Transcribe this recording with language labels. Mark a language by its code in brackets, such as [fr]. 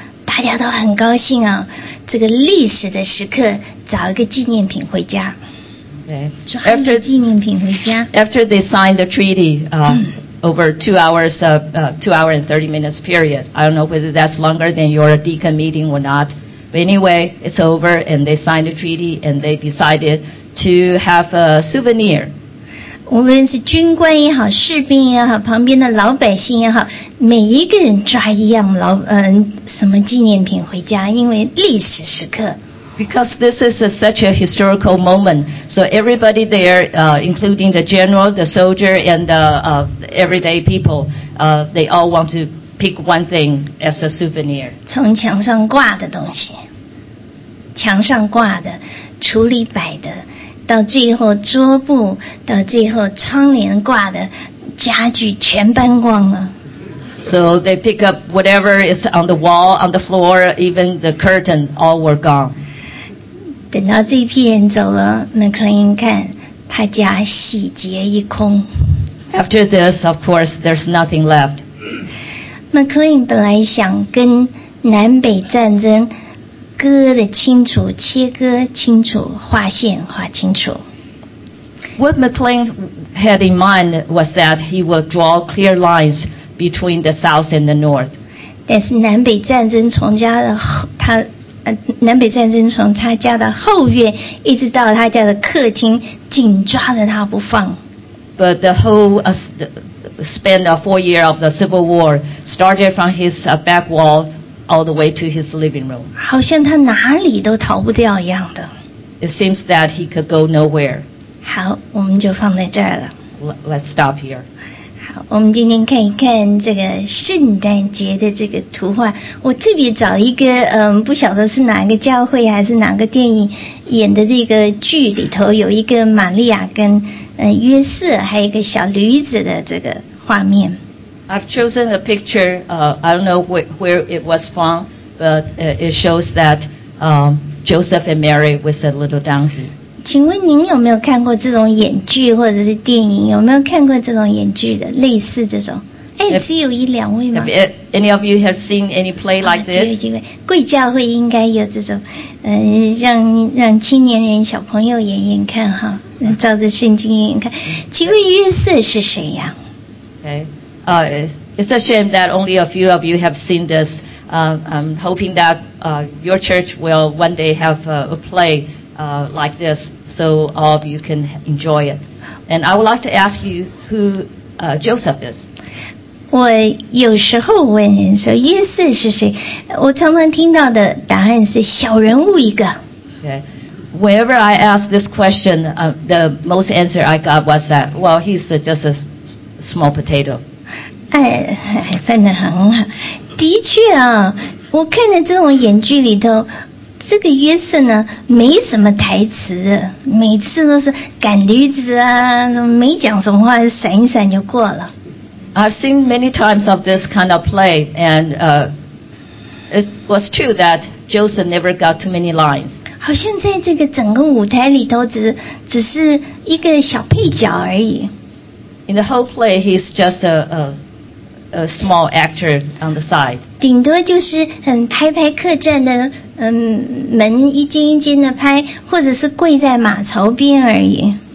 [zh] 大家都很高兴啊，这个历史的时刻，找一个纪念品回家。 Okay. [en] After, [zh] 抓一个纪念品回家。 [en] After they signed the treaty, over two hours and 30 minutes period. I don't know whether that's longer than your deacon meeting or not. But anyway, it's over and they signed the treaty and they decided to have a souvenir. [zh] 无论是军官也好，士兵也好，旁边的老百姓也好，每一个人抓一样什么纪念品回家，因为历史时刻。 [en] Because this is such a historical moment, so everybody there, including the general, the soldier, and everyday people, they all want to pick one thing as a souvenir. [zh] 从墙上挂的东西，墙上挂的，橱里摆的，到最后桌布，到最后窗帘挂的，家具全搬光了。 [en] So they pick up whatever is on the wall, on the floor, even the curtain, all were gone. [zh] 等到这一批人走了， McLean 看他家洗劫一空。 [en] After this, of course, there's nothing left. [zh] McLean 本来想跟南北战争割得清楚，切割清楚，划线划清楚。 [en] What McLean had in mind was that he would draw clear lines. Between the south and the north. [zh] 但是南北战争从家的他南北战争从他家的后院一直到他家的客厅，紧抓着他不放。 [en] But the whole span of 4 years of the Civil War started from his back wall all the way to his living room. [zh] 好像他哪里都逃不掉一样的。 [en] It seems that he could go nowhere. [zh] 好，我们就放在这儿了。 [en] Let's stop here. [zh] 我们今天看一看这个圣诞节的这个图画。我特别找一个，不晓得是哪个教会还是哪个电影演的这个剧里头，有一个玛利亚跟约瑟，还有一个小驴子的这个画面。 [en] I've chosen a picture. I don't know where it was from, but it shows that Joseph and Mary with a little donkey. [zh] 请问您有没有看过这种演剧或者是电影？有没有看过这种演剧的类似这种？哎，只有一两位吗 [en] ？Any of you have seen any play like this？ [zh] 只有几位，贵教会应该有这种，让青年人小朋友演演看哈，照着圣经演演看。请问约瑟是谁呀 [en] ？Okay, it's a shame that only a few of you have seen this. I'm hoping that your church will one day have a play. Like this, so all of you can enjoy it. And I would like to ask you who Joseph is. [zh] 我有时候问人说约瑟是谁，我常常听到的答案是小人物一个。 Okay. [en] Whenever I ask this question, the most answer I got was that, well, he's just a small potato. [zh] 哎，分得很好。的确啊，我看了这种演剧里头。这个约瑟呢，没什么台词，每次都是赶驴子啊，没讲什么话，闪一闪就过了。 [en] I've seen many times of this kind of play, and it was true that Joseph never got too many lines. [zh] 好像在这个整个舞台里头只是一个小配角而已。 [en] In the whole play, he's just a small actor on the side. [zh] 顶多就是拍拍客栈的。门一间一间的拍，或者是跪在马槽边而已。